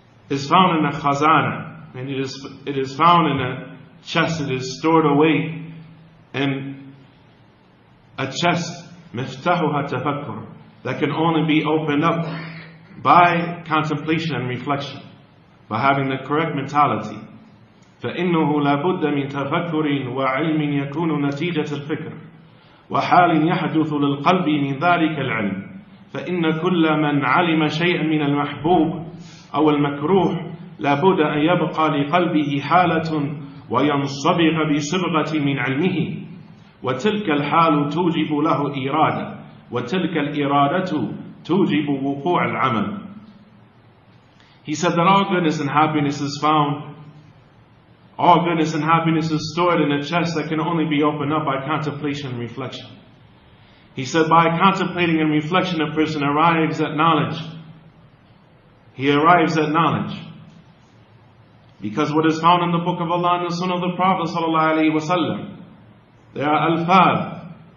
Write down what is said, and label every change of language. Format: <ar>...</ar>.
<en>is found in a khazana, and it is found in a chest, it is stored away in a chest,</en> <ar>مِفْتَحُهَا تَفَكُّرُ</ar> <en>that can only be opened up by contemplation and reflection, by having the correct mentality.</en> <ar>فَإِنُّهُ لَابُدَّ مِنْ تَفَكُّرٍ وَعِلْمٍ يَكُونُ نَتِيجَةَ الْفِكْرِ وَحَالٍ يَحْدُثُ لِلْقَلْبِ مِنْ ذَلِكَ الْعِلْمِ فَإِنَّ كُلَّ مَنْ عَلِمَ شَيْئًا مِنَ الْمَحْبُوبِ أَوْ الْمَكْرُوحِ لَابُدَّ أَنْ يَبْقَى لِقَلْبِهِ حَالَةٌ وَيَنْصَبِغَ بِصِبْغَةٍ مِنْ عِلْمِهِ وَتِلْكَ الْحَالُ تُوجِبُ لَهُ إِرَادَةً وَتِلْكَ الْإِرَادَةُ تُوجِبُ وُقُوعَ الْعَمَلِ</ar> <en>He said that all goodness and happiness is found. All goodness and happiness is stored in a chest that can only be opened up by contemplation and reflection. He said, by contemplating and reflection, a person arrives at knowledge. He arrives at knowledge. Because what is found in the Book of Allah and the Sunnah of the Prophet sallallahu alayhi wa sallam, there are alfad.</en>